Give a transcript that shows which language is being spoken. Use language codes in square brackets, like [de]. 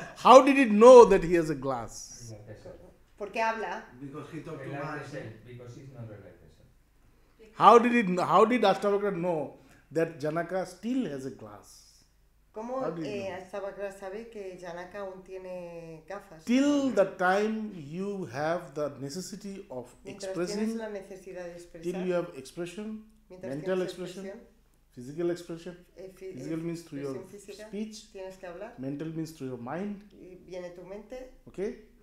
[en] How did it know that he has a glass? [es] Porque habla. [en] Because he talked too much. Because he's not right. How did Ashtavakra know that Janaka still has a glass? [es] ¿Cómo Ashtavakra sabe que Janaka aún tiene gafas? [en] Till the time you have the necessity of expressing, [es] mientras tienes la necesidad de expresar, [en] till you have expression, mental expression, physical expression, physical means through your [es] física, [en] speech, [es] tienes que hablar, [en] mental means through your mind, [es] y viene tu mente. [en] Okay?